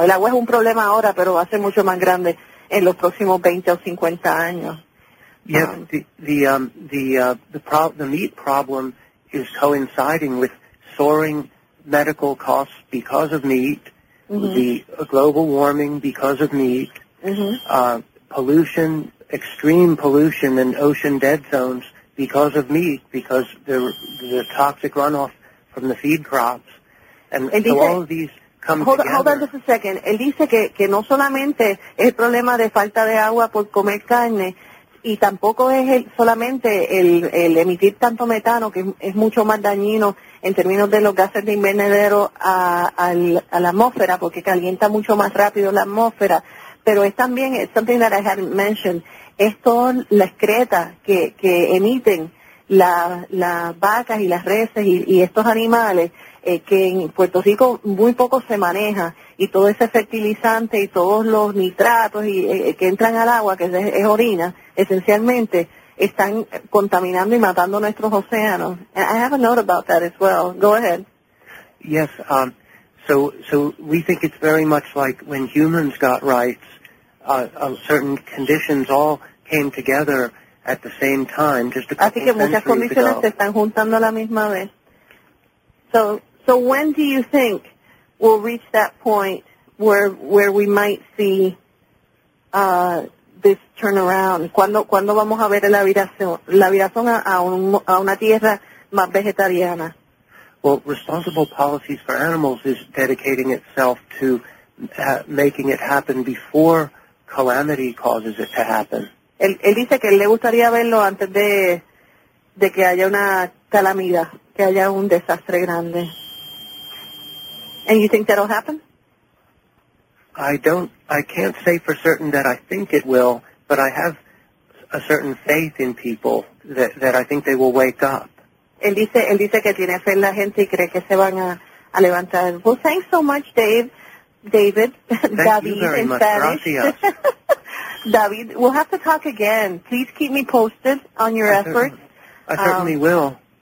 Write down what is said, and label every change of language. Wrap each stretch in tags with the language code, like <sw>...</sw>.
<es>El agua es un problema ahora, pero va a ser mucho más grande en los próximos 20 o 50 años.</es> <en>The meat problem is coinciding with soaring medical costs because of meat, the global warming because of meat, pollution, extreme pollution in ocean dead zones because of meat, because the toxic runoff from the feed crops, Hold on just a second.</en> <es>Él dice que no solamente es el problema de falta de agua por comer carne, y tampoco es solamente el emitir tanto metano, que es mucho más dañino en términos de los gases de invernadero a la atmósfera, porque calienta mucho más rápido la atmósfera, pero es también,</es> <en>something that I hadn't mentioned,</en> <es>es toda la excreta que emiten las vacas y las reses y estos animales, que en Puerto Rico muy poco se maneja, y todo ese fertilizante y todos los nitratos que entran al agua, que es orina, esencialmente, están contaminando y matando nuestros océanos.</es> <en>And I have a note about that as well. Go ahead. Yes. So we think it's very much like when humans got rights, certain conditions all came together at the same time, just a couple centuries ago.</en> <es>Así que muchas condiciones se están juntando a la misma vez.</es> <en>So when do you think we'll reach that point where we might see this turnaround?</en> <es>¿Cuándo vamos a ver la viración a una tierra más vegetariana?</es> <en>Well, Responsible Policies for Animals is dedicating itself to making it happen before calamity causes it to happen.</en> <es>Él dice que le gustaría verlo antes de que haya una calamidad, que haya un desastre grande.</es> <en>And you think that'll happen? I can't say for certain that I think it will, but I have a certain faith in people that I think they will wake up.</en> <es>Él dice que tiene fe en la gente y cree que se van a levantar.</es> <en>Well, thanks so much, David. Thank you very much, gracias. David, we'll have to talk again. Please keep me posted on your efforts. I certainly will.</en>